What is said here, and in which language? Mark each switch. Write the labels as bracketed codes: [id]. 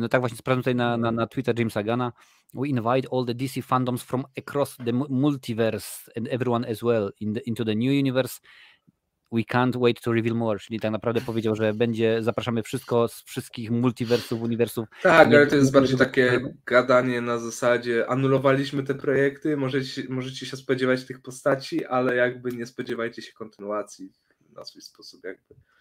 [pl] No tak właśnie sprawdzam tutaj na Twitter Jamesa Gunna. [en] We invite all the DC fandoms from across the multiverse and everyone as well into the new universe. We can't wait to reveal more. [pl] Czyli tak naprawdę powiedział, że będzie, zapraszamy wszystko z wszystkich multiwersów, uniwersów. Tak, ale to jest bardziej takie gadanie na zasadzie, anulowaliśmy te projekty, możecie się spodziewać tych postaci, ale jakby nie spodziewajcie się kontynuacji na swój sposób jakby.